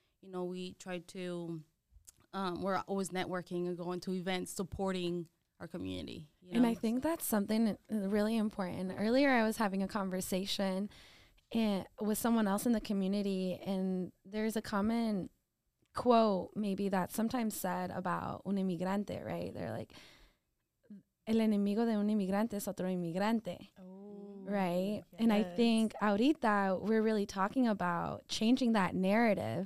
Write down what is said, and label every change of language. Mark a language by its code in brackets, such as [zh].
[en] You know, we try to, we're always networking and going to events, supporting our community. You know? And I think that's something really important. Earlier, I was having a conversation with someone else in the community, and there's a common quote maybe that's sometimes said about [es] un inmigrante, [en] right? They're like, [es] el enemigo de un inmigrante es otro inmigrante, ooh, [en] right? Yes. And I think ahorita we're really talking about changing that narrative,